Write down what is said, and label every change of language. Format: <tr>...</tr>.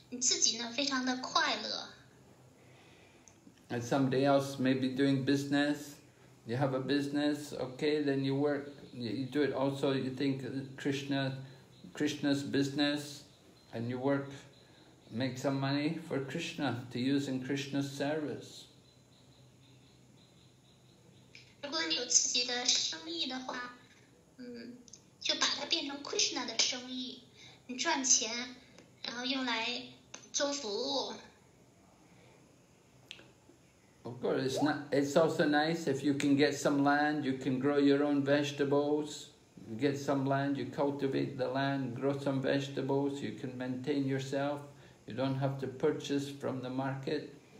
<zh>就应该成为一个理想的典范的工人，好好的员工，清洁准时，就很好的履行你的工作，并且呢，你也能够取悦，非常令他人感到愉悦，也建立很友善的关系，你自己呢非常的快乐。</zh> <en>And somebody else may be doing business, you have a business, okay, then you work. You do it also, you think Krishna's business, and you work, make some money for Krishna, to use in Krishna's service.</en> <zh>如果你有自己的生意的话，就把它变成Krishna的生意，你赚钱，然后用来做服务。</zh> <en>Of course, it's also nice if you can get some land, you can grow your own vegetables. Get some land, you cultivate the land, grow some vegetables, you can maintain yourself. You don't have to purchase from the market.</en>